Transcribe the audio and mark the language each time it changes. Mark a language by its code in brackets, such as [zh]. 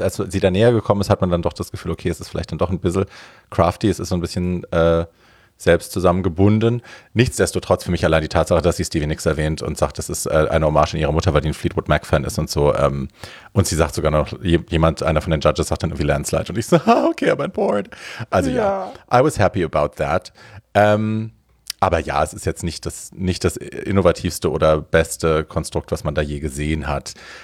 [de] Als sie da näher gekommen ist, hat man dann doch das Gefühl, okay, es ist vielleicht dann doch ein bisschen crafty, es ist so ein bisschen selbst zusammengebunden. Nichtsdestotrotz für mich allein die Tatsache, dass sie Stevie Nicks erwähnt und sagt, das ist eine Hommage an ihre Mutter, weil die ein Fleetwood Mac-Fan ist und so. Und sie sagt sogar noch, jemand, einer von den Judges sagt dann irgendwie Landslide. Und ich so, [en] okay, I'm on board. [de] Also ja, [en] I was happy about that. [de] Aber ja, es ist jetzt nicht das innovativste oder beste Konstrukt, was man da je gesehen hat.